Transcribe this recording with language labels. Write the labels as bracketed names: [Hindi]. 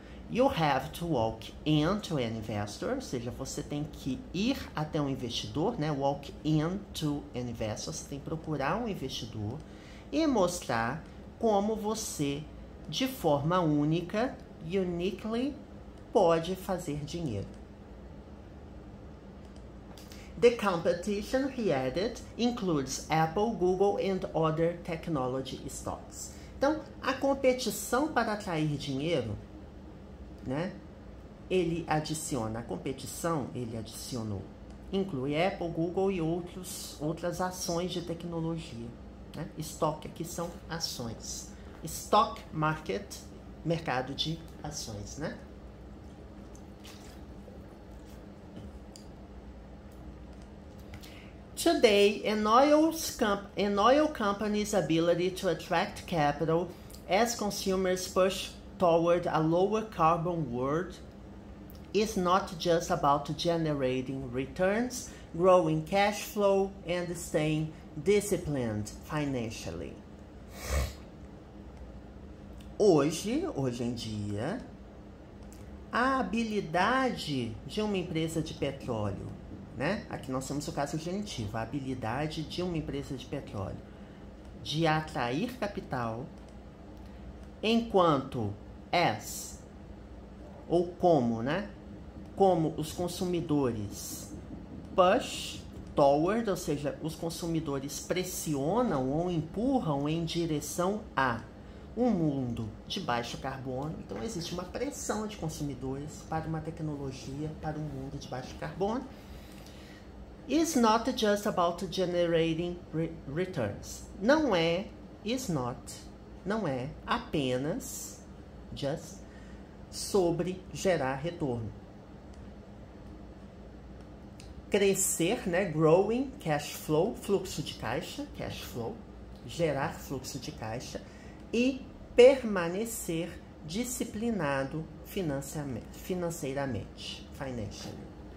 [English] You have to walk into an investor, [Portuguese] ou seja, você tem que ir até um investidor, né? [English] Walk into an investor, [Portuguese] você tem que procurar um investidor e mostrar como você, de forma única, uniquely, pode fazer dinheiro. [English] The competition, he added, includes Apple, Google and other technology stocks. [Portuguese] Então, a competição para atrair dinheiro, né? Ele adiciona a competição, ele adicionou, inclui Apple, Google e outras ações de tecnologia, né? Estoque aqui são ações. [English] Stock market, [Portuguese] mercado de ações, né? [English] Today, an oil company's ability to attract capital as consumers push toward a lower carbon world is not just about generating returns, growing cash flow, and staying disciplined financially. [Portuguese] Hoje em dia, a habilidade de uma empresa de petróleo, né? Aqui nós temos o caso genitivo, a habilidade de uma empresa de petróleo de atrair capital enquanto as, ou como, né? Como os consumidores [English] push toward, [Portuguese] ou seja, os consumidores pressionam ou empurram em direção a um mundo de baixo carbono. Então, existe uma pressão de consumidores para uma tecnologia, para um mundo de baixo carbono. [English] It's not just about generating returns. [Portuguese] Não é, [English] is not, [Portuguese] não é apenas just sobre gerar retorno. Crescer, né? [English] Growing cash flow, [Portuguese] fluxo de caixa, cash flow, gerar fluxo de caixa e permanecer disciplinado financeiramente, financially.